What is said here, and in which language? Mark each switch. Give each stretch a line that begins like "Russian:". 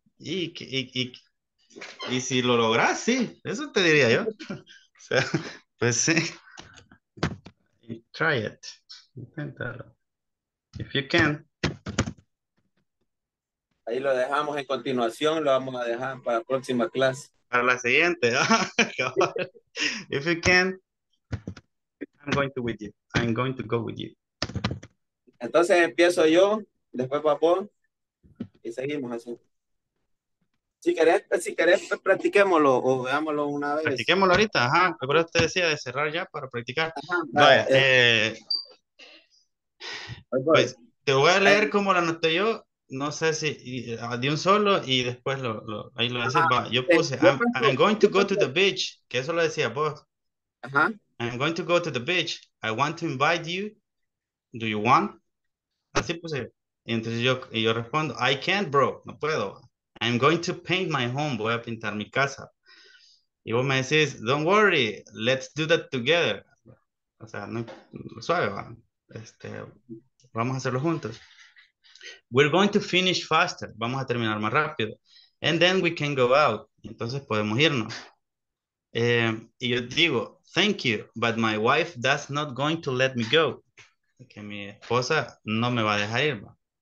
Spanish: Y si lo logras, sí, eso te diría yo. O sea, pues sí. Y
English: try it.
Spanish: Inténtalo.
English: If you can.
Spanish: Ahí lo dejamos en continuación, lo vamos a dejar para la próxima clase. Para la siguiente.
English: If you can, I'm going to with you. I'm going to go with you.
Spanish: Entonces empiezo yo. Después papo y seguimos así. Si querés, pues practiquémoslo o veámoslo una vez. Practiquémoslo ahorita, ajá. Por eso te decía de cerrar ya para practicar. Ajá, vaya. Pues, te voy a leer como lo anoté yo. No sé si de un solo y después ahí lo decís. Yo puse,
English: I'm going to go to the beach.
Spanish: Que eso lo decía vos. Ajá.
English: I'm going to go to the beach. I want to invite you. Do you want?
Spanish: Así puse. Y entonces yo respondo,
English: I can't, bro,
Spanish: no puedo.
English: I'm going to paint my home,
Spanish: voy a pintar mi casa.
English: Y vos me decís, don't worry, let's do that together.
Spanish: O sea, no, suave, ¿va? Vamos a hacerlo juntos.
English: We're going to finish faster,
Spanish: vamos a terminar más rápido.
English: And then we can go out,
Spanish: entonces podemos irnos. Y yo digo,
English: thank you, but my wife that's not going to let me go.
Spanish: Que mi esposa no me va a dejar ir, ¿va?